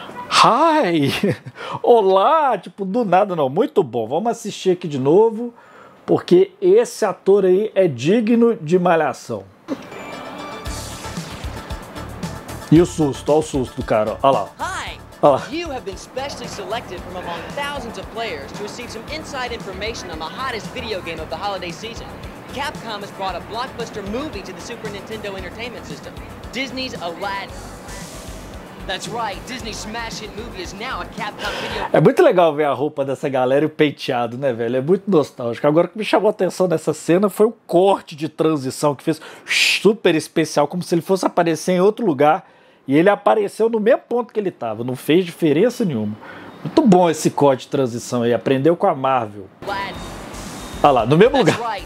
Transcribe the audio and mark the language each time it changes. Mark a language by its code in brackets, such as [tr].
[pt] Hi! Olá! Tipo, do nada não. Muito bom. Vamos assistir aqui de novo, porque esse ator aí é digno de Malhação. E o susto, olha o susto do cara, olha lá. Hi. Olha lá. [en] You have been specially selected from among thousands of players to receive some inside information on the hottest video game of the holiday season. Capcom has brought a blockbuster movie to the Super Nintendo Entertainment System, Disney's Aladdin. That's right, Disney's smash hit movie is now a Capcom video. [pt] É muito legal ver a roupa dessa galera e o penteado, né, velho? É muito nostálgico. Agora, o que me chamou a atenção nessa cena foi o corte de transição que fez super especial, como se ele fosse aparecer em outro lugar. E ele apareceu no mesmo ponto que ele estava, não fez diferença nenhuma. Muito bom esse corte de transição aí, aprendeu com a Marvel. Olha lá, no mesmo lugar.